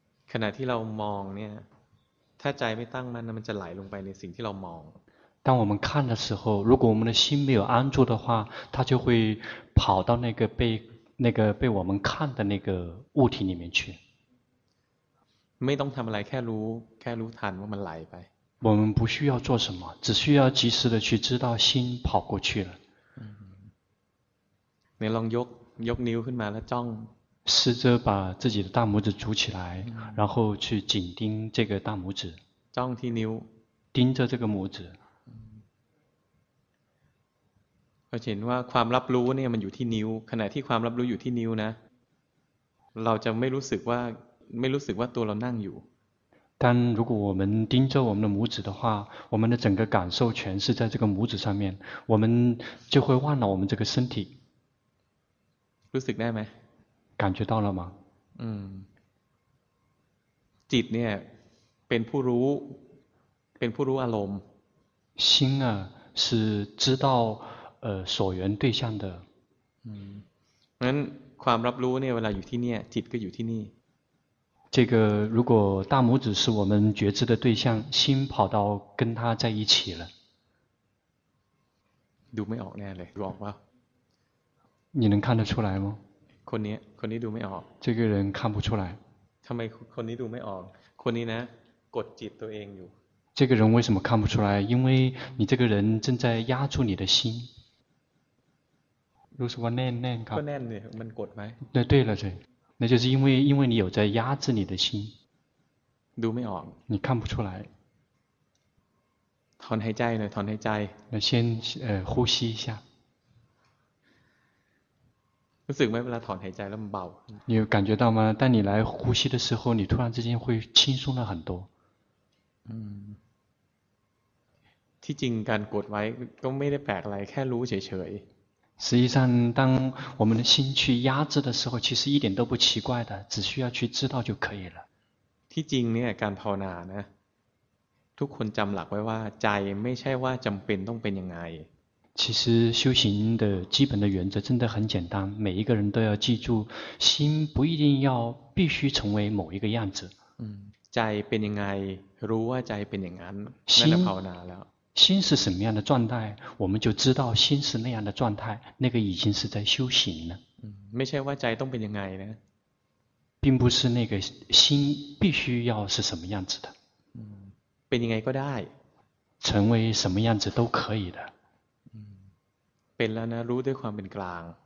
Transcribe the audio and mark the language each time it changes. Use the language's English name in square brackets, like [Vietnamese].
[Thai] ขณะที่เรามองเนี่ยถ้าใจไม่ตั้งมันมันจะไหลลงไปในสิ่งที่เรามอง [Chinese] 当我们看的时候如果我们的心没有安住的话它就会跑到那个被我们看的那个物体里面去 [Thai] ไม่ต้องทำอะไรแค่รู้ทันว่ามันไหลไป [Chinese] 我们不需要做什么只需要及时的去知道心跑过去了 [Thai] 你ลองยกนิ้วขึ้นมาแล้วจ้อง [Chinese] 试着把自己的大拇指煮起来然后去紧盯这个大拇指 [Thai] จ้องที่นิ้ว [Chinese] 盯着这个拇指 [Thai] เห็นว่าความรับรู้เนี่ยมันอยู่ที่นิ้วขณะที่ความรับรู้อยู่ที่นิ้วนะเราจะไม่รู้สึกว่าตัวเรานั่งอยู่ [Chinese] 但如果我们盯着我们的拇指的话我们的整个感受全是在这个拇指上面我们就会忘了我们这个身体 [Thai] รู้สึกได้ไหม [Chinese] 感觉到了吗 [Thai] จิตเนี่ยเป็นผู้รู้อารมณ์ [Chinese] 心啊是知道所缘对象的 [Thai] งั้นความรับรู้เนี่ยเวลาอยู่ที่เนี่ยจิตก็อยู่ที่นี่ [Chinese] 这个如果大拇指是我们觉知的对象，心跑到跟他在一起了。读没有那嘞，软吗？你能看得出来吗？ [Thai] คนนี้คนนี้ดูไม่ออก [Chinese] 这个人看不出来 [Thai] ทำไมคนนี้ดูไม่ออกคนนี้นะกดจิตตัวเองอยู่ [Chinese] 这个人为什么看不出来因为你这个人正在压住你的心 [Thai] รู้สึกว่าแน่นแน่นครับ ก็แน่นเนี่ยมันกดไ [Chinese] หม对了对那就是因为你有在压制你的心 [Thai] ดูไม่ออก [Chinese] 你看不出来 [Thai] ถอนหายใจหน่อยถอนหายใจ [Chinese] 那先呼吸一下 [Thai] รู้สึกไหมเวลาถอนหายใจแล้วมันเบา [Chinese] 你有感觉到吗当你来呼吸的时候你突然之间会轻松了很多 [Thai] ที่จริงการกดไว้ก็ไม่ได้แปลกอะไรแค่รู้เฉย [Chinese] ๆ实际上当我们的心去压制的时候其实一点都不奇怪的只需要去知道就可以了 [Thai] ที่จริงเนี่ยการภาวนานะทุกคนจำหลักไว้ว่าใจไม่ใช่ว่าจำเป็นต้องเป็นยังไง [Chinese] 其实修行的基本的原则真的很简单每一个人都要记住心不一定要必须成为某一个样子 [Thai] ใจเป็นยังไงรู้ว่าใจเป็นอย่างนั้นนั่นแหละภาวนาแล้ว [Chinese] 心是什么样的状态我们就知道心是那样的状态那个已经是在修行了 [Thai] ไม่ใช่ว่าใจต้องเป็นยังไงนะ [Chinese] 并不是那个心必须要是什么样子的 [Thai] เป็นยังไงก็ได้ [Chinese] 成为什么样子都可以的 [Thai] เป็นแล้วนะรู้ด้วยความเป็นกลาง